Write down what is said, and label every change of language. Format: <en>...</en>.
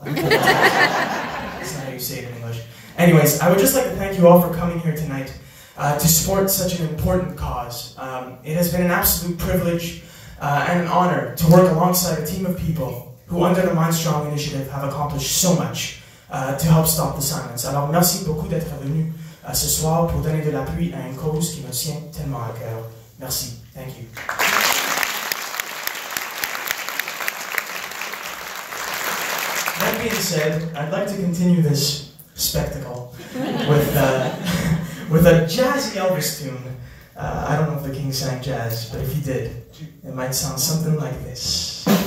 <en>That's not how you say it in English. Anyways, I would just like to thank you all for coming here tonight to support such an important cause. It has been an absolute privilege and an honor to work alongside a team of people who, under the Mindstrong Initiative, have accomplished so much to help stop the silence.</en> <fr>Alors, merci beaucoup d'être venu ce soir pour donner de l'appui à une cause qui me tient tellement à cœur. Merci.</fr> <en>Thank you. That being said, I'd like to continue this spectacle with a jazzy Elvis tune. I don't know if the king sang jazz, but if he did, it might sound something like this.</en>